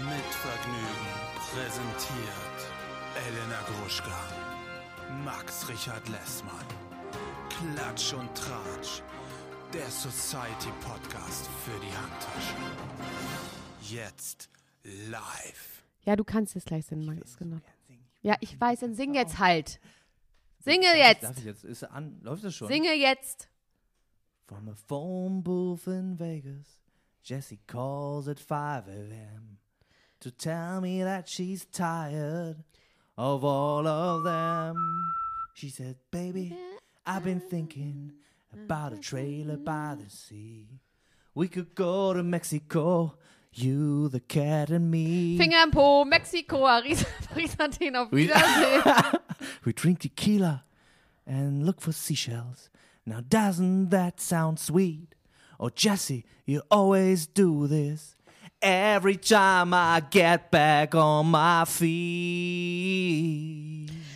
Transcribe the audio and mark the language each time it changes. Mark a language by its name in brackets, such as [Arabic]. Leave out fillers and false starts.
[German] Vergnügen präsentiert Elena Gruschka, Max Richard Lessmann, Klatsch und Tratsch, der Society Podcast für die Handtasche. Jetzt live. Ja, du kannst jetzt gleich singen, Max. Genau. Ja, ich weiß, dann sing jetzt halt. Singe jetzt. Darf ich jetzt? Ist an? Läuft das schon? Singe jetzt. [English] From a phone booth in Vegas, Jessie calls at 5 a.m. to tell me that she's tired of all of them. She said, baby, I've been thinking about a trailer by the sea. We could go to Mexico, you, the cat and me. [German] Finger im Po, Mexiko, Arisa-Tin auf Wiedersehen. [English] We drink tequila and look for seashells. Now doesn't that sound sweet? Oh, Jesse, you always do this. Every time I get back on my feet.